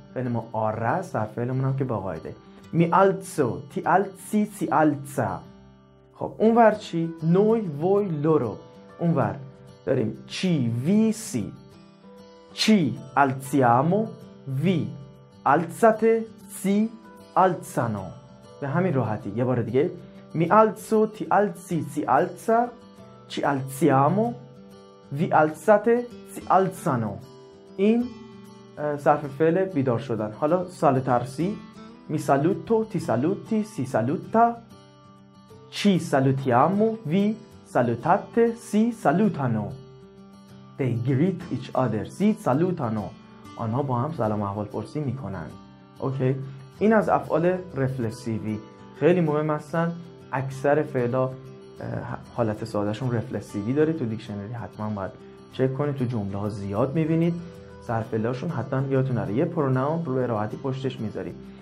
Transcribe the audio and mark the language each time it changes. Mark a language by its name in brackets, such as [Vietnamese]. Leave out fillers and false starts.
[Persian] فعل ما آره، صرف فعلمون هم که باقاعده [Italian] می آلتسو، تی آلتسی، سی آلتسا. [Persian] خب اونور چی؟ [Italian] نوی، وی، لورو. [Persian] اونور داریم چی، [Italian] وی، سی. چی آلتسیامو، وی alzate, si alzano. [Persian] به همین راحتی. یه بار دیگه [Italian] mi alzo, ti alzi, si alza, ci alziamo, vi alzate, si alzano. [Persian] این صرف فعل بیدار شدن. [Italian] حالا سالوتارسی، mi saluto, ti saluti, si saluta, ci salutiamo, vi salutate, si salutano. [English] They greet each other, [Italian] si salutano. [Persian] آنها با هم سلام احوال پرسی میکنن. اوکی، این از افعال رفلسیوی. خیلی مهم هستن، اکثر فعلا حالت سادهشون رفلسیوی داره. تو دیکشنری حتما باید چک کنید، تو جمله ها زیاد میبینید سرفعلاشون، حتما یادتون نره. یه پروناون رو به راحتی پشتش میذارید.